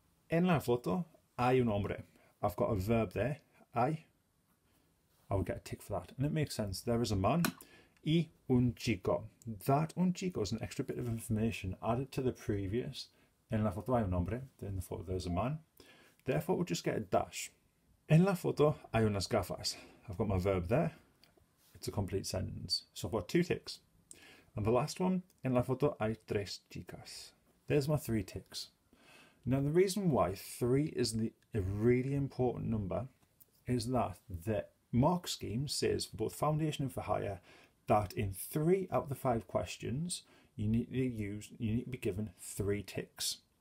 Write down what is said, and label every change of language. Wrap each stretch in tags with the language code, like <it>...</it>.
<es>En la foto hay un hombre.</es> <en>I've got a verb there, I would get a tick for that. And it makes sense. There is a man,</en> <es>y un chico.</es> <en>That un chico is an extra bit of information added to the previous.</en> <es>En la foto hay un hombre,</es> <en>then the photo there's a man. Therefore, we'll just get a dash.</en> <es>En la foto hay unas gafas.</es> <en>I've got my verb there. It's a complete sentence. So I've got two ticks. And the last one,</en> <es>en la foto hay tres chicas.</es> <en>There's my three ticks. Now, the reason why three is a really important number is that the mark scheme says for both foundation and for higher that in three out of the five questions, you need to be given three ticks.</en>